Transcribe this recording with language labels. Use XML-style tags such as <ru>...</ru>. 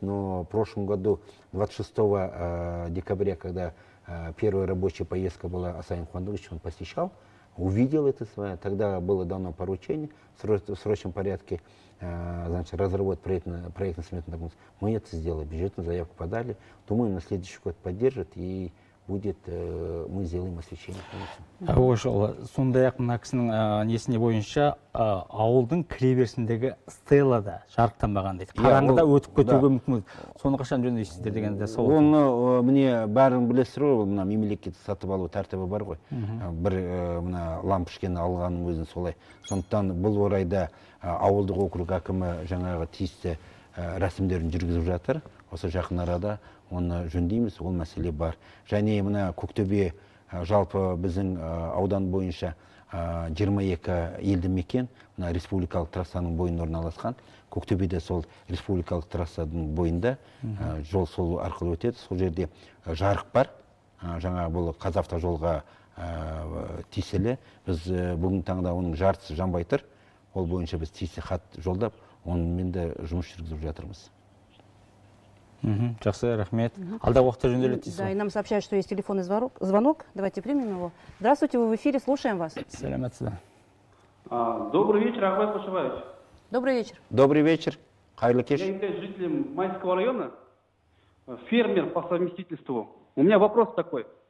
<ru>Но в прошлом году, 26 декабря, когда первая рабочая поездка была Асаин Хуандович, он посещал, увидел это свое, тогда было дано поручение в срочном порядке, значит, разработать проектно-сметную документацию. Мы это сделали, бюджетную заявку подали. Думаю, на следующий год поддержат и в будет, мы сделаем освещение. Хорошо.</ru> <kk>Сундаяк Максим Несне Боинша, Аулдын кіреберсіндегі стела да жарықтан баған дейді. Қараңғыда өтіп көтуге мүмкін. Соны қашан жөнді істер деген де сол. Оны міне бәрін білесіз ғой, мына мемлекет сатып алу тәртібі бар ғой. Бір мына лампышкені алғанның өзін солай. Сондықтан бұл орайда ауылдық округ әкімі жаңағы тиісті рәсімдерін жүргізіп жатыр. Осы жақын арада оны жөндейміз, ол мәселе бар. Және мына Көктөбе жалпы біздің аудан бойынша 22 елді мекен мына республикалық трассаның бойында орналасқан. Көктөбеде сол республикалық трассаның бойында жол сол арқылы өтеді. Сол жерде жарық бар. Жаңа бұл қазавта жолға тиесілі. Біз бүгін таңда оның жартысы жанбай тұр. Ол бойынша біз тиісті хат жолдап, онымен де жұмыс жүргізіп жатырмыз. Жақсы, рахмет. Алда уақытта жөнделеді дейсіз.</kk> <ru>Да, и нам сообщают, что есть телефонный звонок. Давайте примем его. Здравствуйте, вы в эфире, слушаем вас.</ru> <kk>Саламатсыз ба.</kk> <ru>Добрый вечер, Ахмет Кушебаевич. Добрый вечер. Добрый вечер.</ru> <kk>Хайырлы кеш.</kk> <ru>Я являюсь жителем Майского района, фермер по совместительству. У меня вопрос такой.</ru>